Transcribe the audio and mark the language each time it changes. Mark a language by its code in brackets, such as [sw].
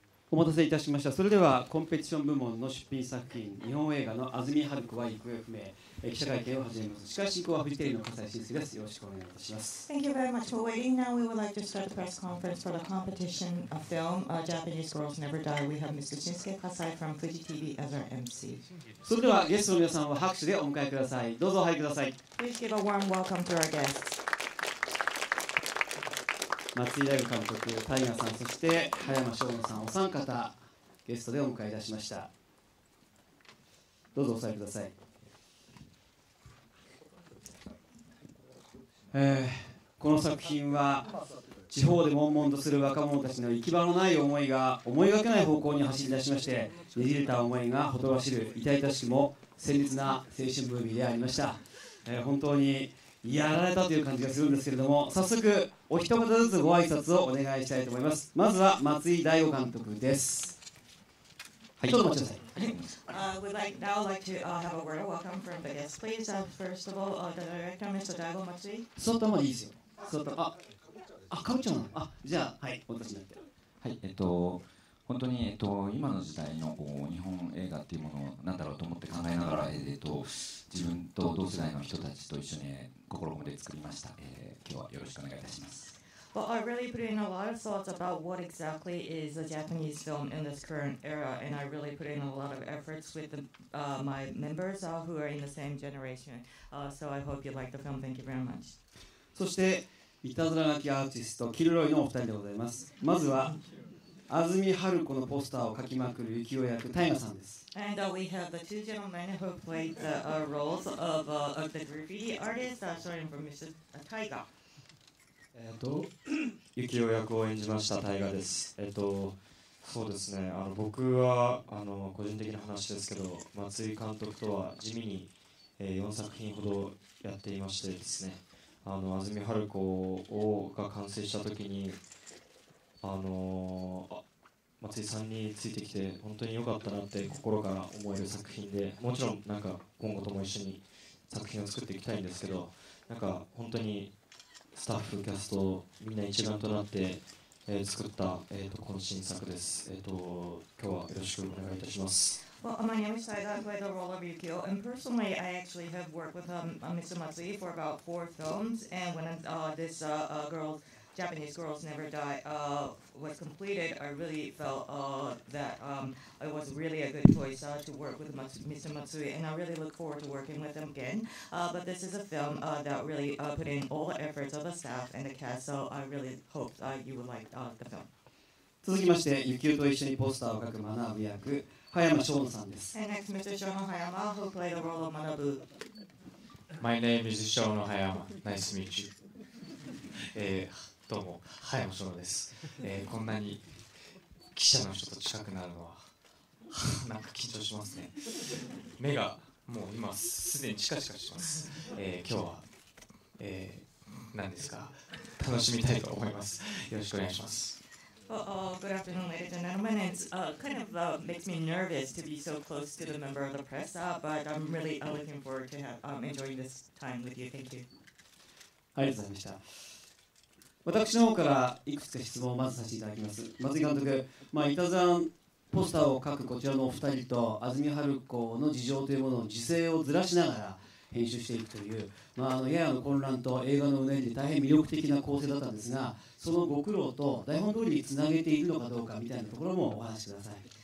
[ja] お待たせいたしました。それではコンペティション部門の出品作品、日本映画の安住春子は行方不明、記者会見を始めます。司会進行はフジテレビの笠井新介です。よろしくお願いいたします。 [en] Thank you very much for waiting. Now we would like to start the press conference for the competition of film Japanese Girls Never Die. We have Mr. Shinsuke Kasai from Fuji TV as our MC. [ja] それではゲストの皆さんは拍手でお迎えください。どうぞお入りください。 [en] Please give a warm welcome to our guests。 [ja] 松井大吾監督、タイガーさん、そして葉山翔吾さん、お三方ゲストでお迎えいたしました。どうぞお座りください。この作品は地方で悶々とする若者たちの行き場のない思いが思いがけない方向に走り出しまして、ねじれた思いがほとばしる痛々しくも鮮烈な青春ムービーでありました。本当にやられたという感じがするんですけれども、早速お一言ずつご挨拶をお願いしたいと思います。まずは松井大吾監督です。はい、ちょっと待ちください。 [en] We'd like, now like to、have a word of welcome from the guests, please.、First of all,、the director, Mr. Daigo Matsui. [ja] 座ったままいいですよ。座った、あ、かぶっちゃうの。あ、じゃあ、はい、お出しになって、はい、本当に、今の時代のこう日本映画っていうものをなんだろうと思って考えながら、自分と同世代の人たちと一緒に心込めて作りました。今日はよろしくお願いいたします。 [en] Well, I really put in a lot of thoughts about what exactly is a Japanese film in this current era, and I really put in a lot of efforts with the,、my members who are in the same generation.、so I hope you like the film. Thank you very much. [ja] そして、いたずら書きアーティスト、キルロイのお二人でございます。まずは安住春子のポスターを描きまくる幸男役、タイガさんです。 [en] And、we have the two gentlemen who played the、roles of,、of the graffiti artist, starting from Mr. Taiga. [ja] 幸男役を演じましたタイガです。そうですね、僕は個人的な話ですけど、松井監督とは地味に、4作品ほどやっていましてですね、安住春子をが完成したときに、松井さんについてきて本当に良かったなって心から思える作品で、もちろんなんか今後とも一緒に作品を作っていきたいんですけど、なんか本当にスタッフ、キャスト、みんな一丸となって、作った、この新作です。今日はよろしくお願いいたします。 [en] Well, my name is Taiga. I play the role of Yukio. And personally, I actually have worked with、Mr. Matsui for about 4 films. And when、this、girl, Japanese Girls Never Die、was completed, I really felt、that、it was really a good choice、to work with Mr. Matsui. And I really look forward to working with him again.、but this is a film、that really、put in all the efforts of the staff and the cast. So I really hope、you would like、the film. [ja] 続きまして、Yukio と一緒にポスターを描く学ぶ役、葉山翔吾さんです。 [en] And next, Mr. Shono Hayama, who played the role of Manabu. My name is Shono Hayama. Nice to meet you. [ja] 、どうも、葉山翔吾です。こんなに記者の人と近くなるのは、なんか緊張しますね。目がもう今すでにチカチカします。今日は、何ですか、楽しみたいと思います。よろしくお願いします。 [en] Good afternoon, ladies and gentlemen. It's、kind of、makes me nervous to be so close to the member of the press,、but I'm really、looking forward to have,、enjoying this time with you. Thank you. [ja] ありがとうございました。私の方からいくつか質問をまずさせていただきます。松井監督、まあ、いたずらポスターを書くこちらのお二人と安住春子の事情というものの時勢をずらしながら編集していくという、まあ、ややの混乱と映画のうねりで大変魅力的な構成だったんですが、そのご苦労と台本通りにつなげているのかどうかみたいなところもお話しください。